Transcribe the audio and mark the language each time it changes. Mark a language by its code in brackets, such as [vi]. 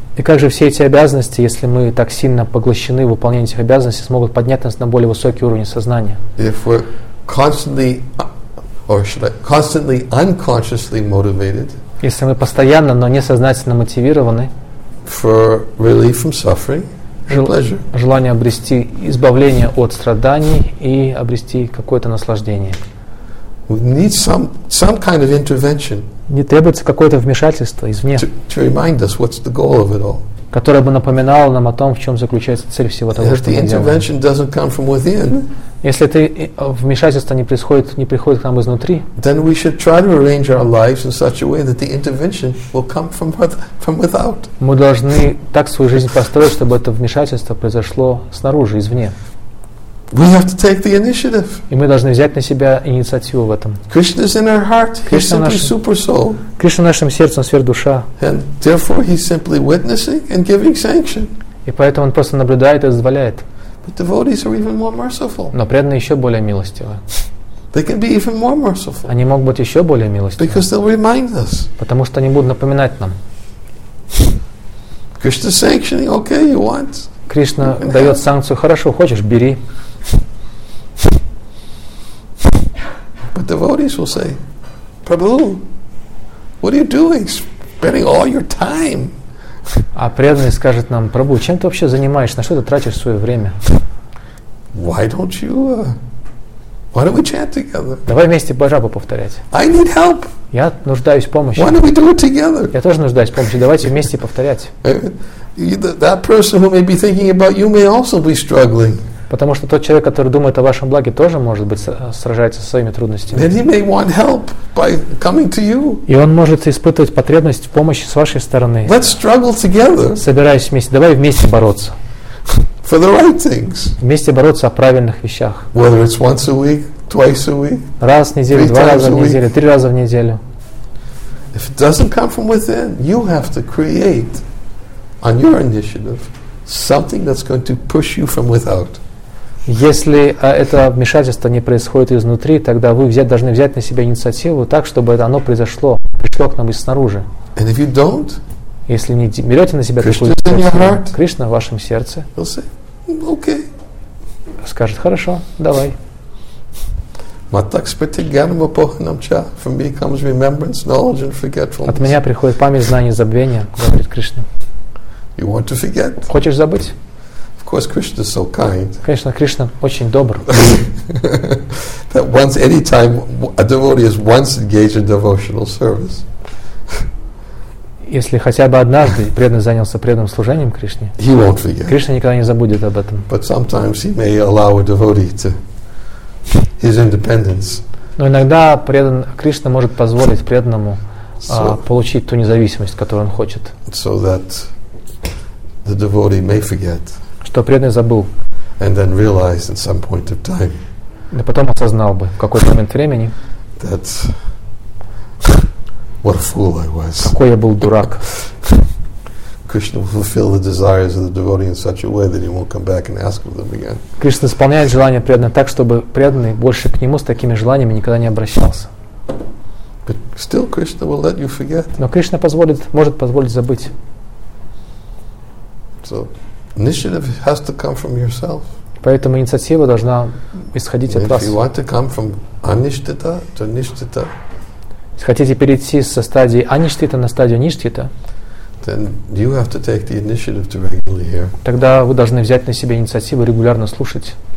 [ru] И как же все эти обязанности, если мы так сильно поглощены выполнением этих обязанностей, смогут поднять нас на более высокий уровень сознания? [en] If we're constantly, or should I, constantly unconsciously motivated. [ru] Если мы постоянно, но несознательно мотивированы. [en] For relief from suffering. [ru] Желание обрести избавление от страданий и обрести какое-то наслаждение. [en] We need some kind of intervention. [ru] Не требуется какое-то вмешательство извне. [en] To remind us what's the goal of it all. [ru] Которое бы напоминало нам о том, в чем заключается цель всего того, что мы делаем. [en] If the intervention doesn't come from within, [ru] если это вмешательство не приходит к нам изнутри, [en] then we should try to arrange our lives in such a way that the intervention will come from without. [ru] Мы должны так свою жизнь построить, чтобы это вмешательство произошло снаружи, извне. [en] We have to take the initiative. [ru] И мы должны взять на себя инициативу в этом. [en] Krishna is in our heart. Krishna is simply super soul. [ru] Кришна в нашем сердце, он сверхдуша. [en] And therefore he's simply witnessing and giving sanction. [ru] И поэтому он просто наблюдает и дозволяет. [en] But devotees are even more merciful. [ru] Но преданные еще более милостивы. [en] They can be even more merciful. [ru] Они могут быть еще более милостивы. [en] Because they'll remind us. [ru] Потому что они будут напоминать нам. [en] Krishna sanctioning, okay, you want. [ru] Кришна дает санкцию, хорошо, хочешь, бери. [en] But devotees will say, Prabhu, what are you doing? Spending all your time. [ru] А преданный скажет нам, Прабху, чем ты вообще занимаешься? На что ты тратишь свое время? [en] Why don't we chant together? [ru] Давай вместе баджапу повторять. [en] I need help. [ru] Я нуждаюсь в помощи. [en] Why don't we do it together? [ru] Я тоже нуждаюсь в помощи. Давайте вместе повторять. [en] That person who may be thinking about you may also be struggling. [ru] Потому что тот человек, который думает о вашем благе, тоже, может быть, сражается со своими трудностями. [en] Then he may want help by coming to you. [ru] И он может испытывать потребность в помощи с вашей стороны. [en] Let's struggle together. [ru] Собираясь вместе. Давай вместе бороться. [en] For the right things. [ru] Вместе бороться о правильных вещах. [en] Whether it's once a week, twice a week. [ru] Раз в неделю, два раза в неделю, три раза в неделю. [en] If it doesn't come from within, you have to create on your initiative something that's going to push you from without. [ru] Если это вмешательство не происходит изнутри, тогда вы должны взять на себя инициативу так, чтобы оно произошло, пришло к нам из снаружи. [en] And if you don't, [ru] если не берете на себя такую инициативу, Кришна в вашем сердце скажет, хорошо, давай. От меня приходит память, знание, забвение, говорит Кришна. [en] You want to forget? [ru] Хочешь забыть? [en] Of course, Krishna is so kind. [ru] Конечно, Кришна очень добр. [en] That once, any time, a devotee is once engaged in devotional service. [ru] Если хотя бы однажды преданный занялся преданным служением Кришне, [en] he won't forget. [ru] Кришна никогда не забудет об этом. [en] But sometimes he may allow a devotee to his independence. [ru] Но иногда Кришна может позволить преданному получить ту независимость, которую он хочет. [en] So that the devotee may forget. [ru] Что преданный забыл. [en] And then realized at some point of time. [ru] И потом осознал бы в какой-то момент времени. [en] That what a fool I was. [ru] Какой я был дурак. [en] Krishna will fulfill the desires of the devotee in such a way that he won't come back and ask for them again. [ru] Кришна исполняет желания преданного так, чтобы преданный больше к нему с такими желаниями никогда не обращался. [en] But still, Krishna will let you forget. [ru] Но Кришна может позволить забыть. [en] So, initiative has to come from yourself. [ru] Поэтому инициатива должна исходить от вас. [en] If you want to come from anishtita to nishtita. [ru] Если хотите перейти со стадии аништхита на стадию ништхита, тогда вы должны взять на себя инициативу регулярно слушать.